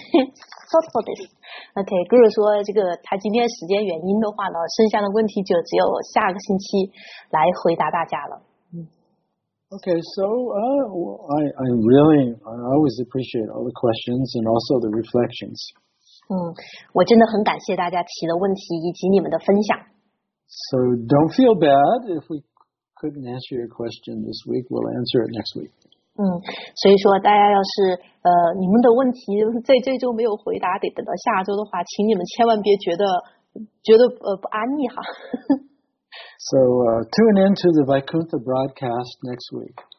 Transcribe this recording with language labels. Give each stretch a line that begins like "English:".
English: Thought for this.
Chinese: Okay, Guru 说这个他今天时间原因的话呢，剩下的问题就只有下个星期来回答大家了。
English: Okay, so I really I always appreciate all the questions and also the reflections.
Chinese: 我真的很感谢大家提的问题以及你们的分享。
English: So don't feel bad if we couldn't answer your question this week. We'll answer it next week.
Chinese: 所以说大家要是你们的问题在这周没有回答，得等到下周的话，请你们千万别觉得不安逸哈。
English: So tune in to the Vaikuntha broadcast next week.